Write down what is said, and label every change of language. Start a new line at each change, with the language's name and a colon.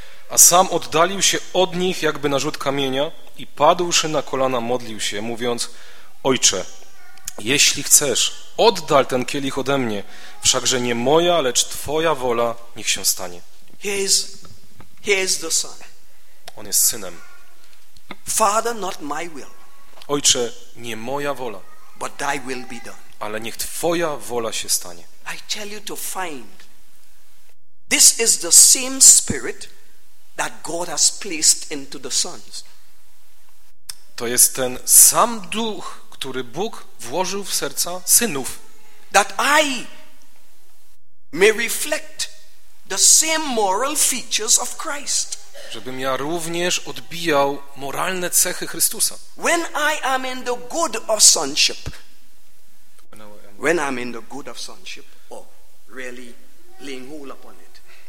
Polish: A sam oddalił się od nich jakby na rzut kamienia i padłszy na kolana modlił się, mówiąc: Ojcze, jeśli chcesz, oddal ten kielich ode mnie, wszakże nie moja, lecz twoja wola niech się stanie.
English: He is the son.
Polish: On jest synem.
English: Father, not my will.
Polish: Ojcze, nie moja wola.
English: But thy will be done.
Polish: Ale niech twoja wola się stanie.
English: I tell you to find. This is the same spirit that God has placed into the sons.
Polish: To jest ten sam duch, który Bóg włożył w serca synów.
English: That I may reflect the same moral features of Christ.
Polish: Żebym ja również odbijał moralne cechy Chrystusa.
English: When I am in the good of sonship. When I'm in the good of sonship, or really laying hold upon it.